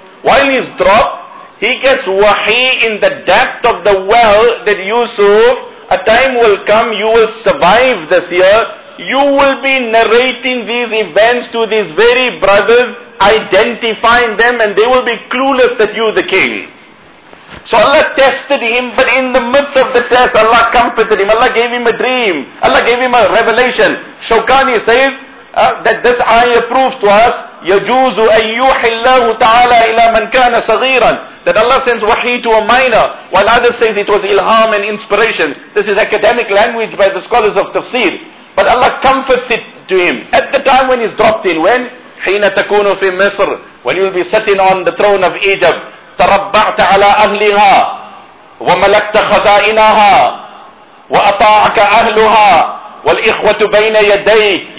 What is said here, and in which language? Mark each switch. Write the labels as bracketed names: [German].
[English] While he's dropped, he gets wahi in the depth of the well that Yusuf, a time will come, you will survive this year, you will be narrating these events to these very brothers, identifying them, and they will be clueless that you the king. So Allah tested him, but in the midst of the test, Allah comforted him, Allah gave him a dream, Allah gave him a revelation. Shawkani says, that this ayah proves to us, [Arabic] يَجُوزُ أَن يُوحِ اللَّهُ تَعَالَى إِلَى مَنْ كَانَ صَغِيرًا. [English] That Allah sends wahi to a minor, while others say it was ilham and inspiration. This is academic language by the scholars of tafsir. But Allah comforts it to him. At the time when he's dropped in, when? [Arabic] حِينَ تَكُونُ فِي مِصْرِ. [English] When you'll be sitting on the throne of Egypt. [Arabic] تَرَبَّعْتَ عَلَىٰ أَهْلِهَا وَمَلَكْتَ خَزَائِنَهَا وَأَطَاعَكَ أَهْلُهَا وَالْإِخْوَةُ بَيْنَ يَدَيْهِ.